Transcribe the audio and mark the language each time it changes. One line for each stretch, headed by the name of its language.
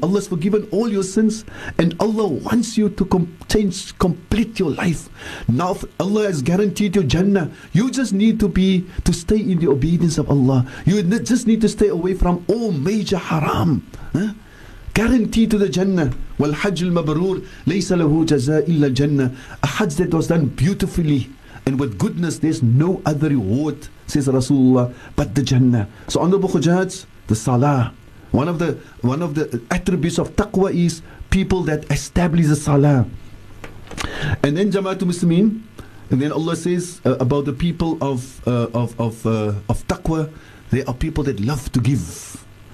English: Allah has forgiven all your sins. And Allah wants you to complete your life. Now Allah has guaranteed you Jannah. You just need to stay in the obedience of Allah. You just need to stay away from all major haram. Guaranteed to the Jannah.
Arabic: والحج المبرور ليس له جزاء إلا الجنة.
English: A Hajj that was done beautifully and with goodness, there's no other reward, says Rasulullah, but the Jannah. So Honorable Hujjaj, the Salah. One of the attributes of taqwa is people that establish the salah. And then Jamaatul Muslimin, and then Allah says about the people of taqwa, they are people that love to give.